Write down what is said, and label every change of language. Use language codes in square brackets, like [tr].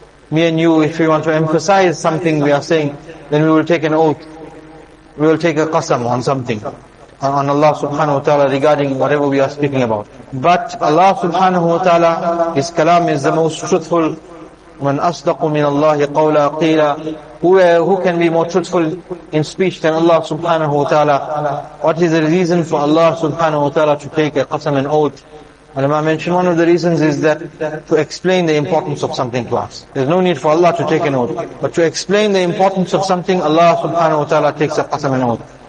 [en] Me and you, if we want to emphasize something we are saying, then we will take an oath. We will take a qasam on something, on Allah subhanahu wa ta'ala regarding whatever we are speaking about. But Allah subhanahu wa ta'ala, His kalam is the most truthful. [ar] من أصدق من الله قولا قيلا. [en] Who can be more truthful in speech than Allah subhanahu wa ta'ala? What is the reason for Allah subhanahu wa ta'ala to take a qasam and oath? Ulama mentioned one of the reasons is that to explain the importance of something to us. There's no need for Allah to take an oath. But to explain the importance of something, Allah subhanahu wa ta'ala takes a qasam and oath.